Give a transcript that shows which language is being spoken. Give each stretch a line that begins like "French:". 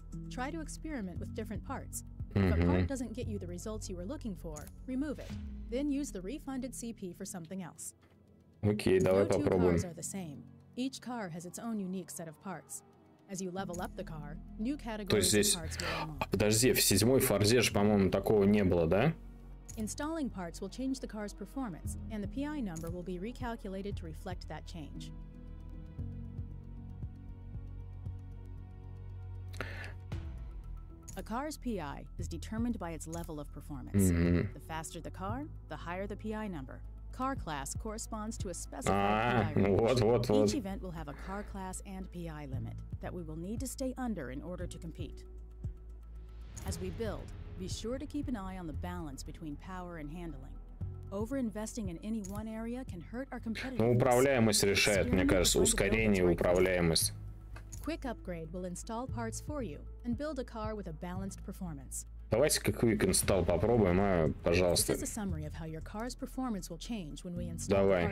English: Try to experiment with different parts. If a part doesn't get you the results you were looking for, remove it. Then use the refunded CP for something else.
Russian: Окей, давай попробуем.
English: Cars are the same. Each car has its own unique set of parts. As you level up the car, new categories of parts will unlock.
Russian: А подожди, в седьмой Форзе же, по-моему, такого не было, да?
English: Installing parts will change the car's performance, and the PI number will be recalculated to reflect that change. A car's PI is determined by its level of performance. Mm-hmm. The faster the car, the higher the PI number. Car class corresponds to a specified PI range. Each event will have a car class and PI limit that we will need to stay under in order to compete. As we build, be sure to keep an eye on the balance between power and handling. Overinvesting in any one area can hurt our competitiveness.
Russian: Ну, управляемость решает, мне кажется, ускорение и управляемость.
English: Quick upgrade will install parts for you and build a car with a balanced performance.
Russian: Давайте-ка Quick install попробуем, а, пожалуйста.
English: This is a summary of how your car's performance will change when we install parts.